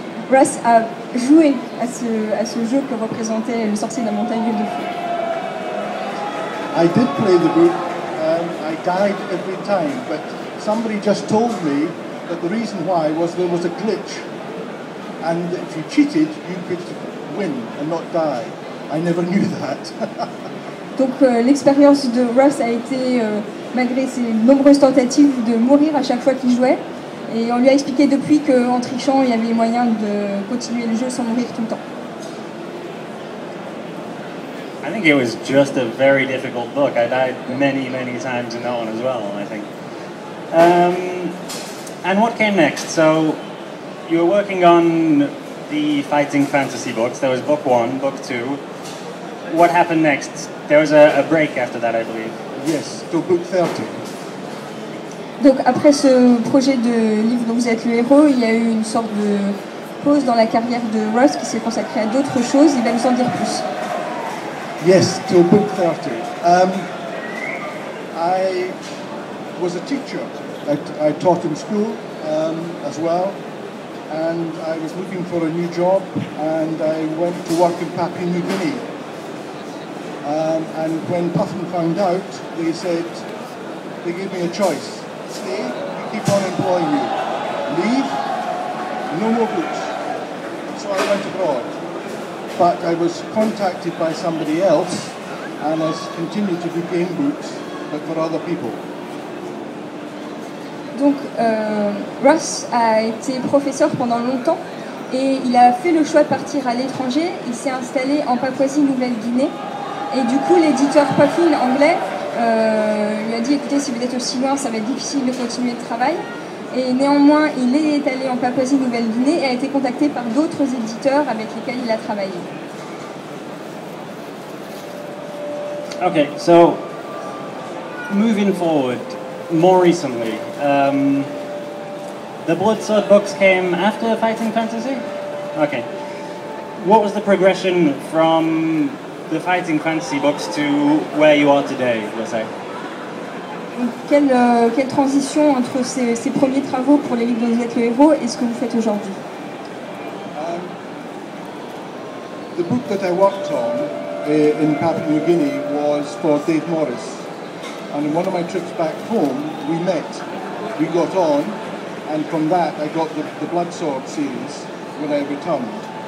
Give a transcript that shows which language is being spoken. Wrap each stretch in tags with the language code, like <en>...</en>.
<fr>Russ a joué à ce jeu que représentait le sorcier de la montagne de feu.</fr> <en>I did play the book. I died every time, but somebody just told me that the reason why was there was a glitch, And if you cheated, you could win and not die. I never knew that.</en> <fr>Donc l'expérience de Russ a été, malgré ses nombreuses tentatives, de mourir à chaque fois qu'il jouait. Et on lui a expliqué depuis qu'en trichant, il y avait moyen de continuer le jeu sans mourir tout le temps.</fr> <en>I think it was just a very difficult book. I died many, many times in that one as well, I think. And what came next? So, you were working on the fighting fantasy books. There was book one, book two. What happened next? There was a break after that, I believe. Yes, to book 30.</en> <fr>Donc après ce projet de livre dont vous êtes le héros, il y a eu une sorte de pause dans la carrière de Russ qui s'est consacré à d'autres choses. Il va nous en dire plus.</fr> <en>Yes, to book 30. I was a teacher. I taught in school as well. And I was looking for a new job. And I went to work in Papua New Guinea. And when Puffin found out, they said, they gave me a choice. Stay, we keep on employing you. Leave, no more books. So I went abroad. But I was contacted by somebody else and has continued to do game books, but for other people.</en> <fr>Donc, Russ a été professeur pendant longtemps et il a fait le choix de partir à l'étranger. Il s'est installé en Papouasie-Nouvelle-Guinée. Et du coup, l'éditeur Puffin anglais lui a dit, écoutez, si vous êtes aussi loin, ça va être difficile de continuer le travail. Et néanmoins, il est allé en Papouasie-Nouvelle-Guinée et a été contacté par d'autres éditeurs avec lesquels il a travaillé.</fr> <en>Ok, so, moving forward, more recently, the Broadsword books came after Fighting Fantasy? Ok. What was the progression from the Fighting Fantasy books to where you are today, let's say?</en> <fr>Quelle transition entre ces premiers travaux pour les livres dont vous êtes le héros et ce que vous faites aujourd'hui?</fr> <en>The book that I worked on in Papua New Guinea was for Dave Morris. And in one of my trips back home, we met, we got on, and from that I got the Bloodsword series when I returned.</en>